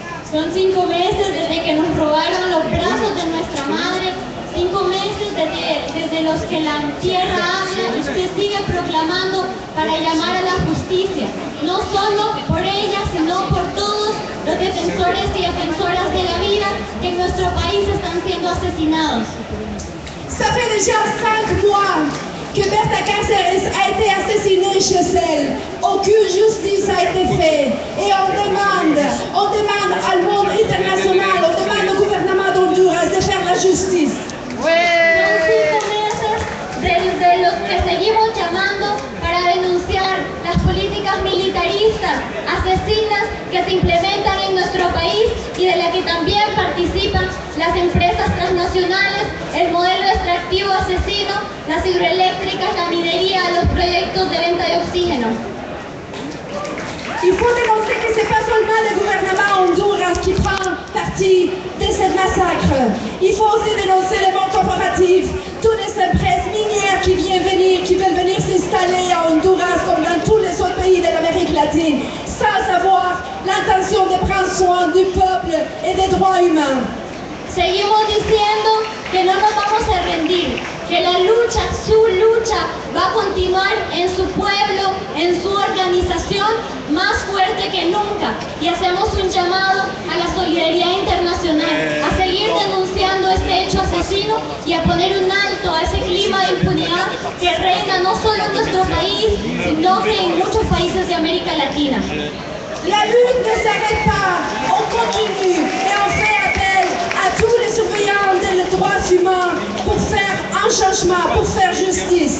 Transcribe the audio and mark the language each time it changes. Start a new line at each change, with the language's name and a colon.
Spanish: Son 5 meses desde que nos robaron los brazos de nuestra madre, 5 meses desde los que la tierra habla y se sigue proclamando para llamar a la justicia, no solo por ella, sino por todos los defensores y defensoras de la vida que en nuestro país están siendo asesinados.
French: Ça fait déjà 5 mois que Berta Cáceres a été assassinée chez elle. Aucune justice a été faite. Et on demande au monde international, on demande au gouvernement d'Honduras de faire la justice.
Spanish: De los que seguimos llamando para denunciar las políticas militaristas, asesinas que se implementan en nuestro país y de las que también participan las empresas transnacionales, el modelo extractivo asesino, las hidroeléctricas, la minería, los proyectos de venta de oxígeno.
French: Il faut dénoncer que ce n'est pas seulement le gouvernement Honduras qui prend partie de ces massacres. Il faut aussi dénoncer les banques corporatives, toutes les empresas minières qui veulent venir s'installer à Honduras comme dans tous les autres pays de l'Amérique latine, sans avoir l'intention de prendre soin du peuple et des droits humains.
Spanish: Seguimos diciendo que no nos vamos a rendir, que la lucha, su lucha, va a continuar en su pueblo, en su organización, más fuerte que nunca. Y hacemos un llamado a la solidaridad internacional, a seguir denunciando este hecho asesino y a poner un alto a ese clima de impunidad que reina no solo en nuestro país, sino que en muchos países de América Latina. La lucha no se arrepa,
French: on continue, et on fait tous les surveillants des droits humains pour faire un changement, pour faire justice.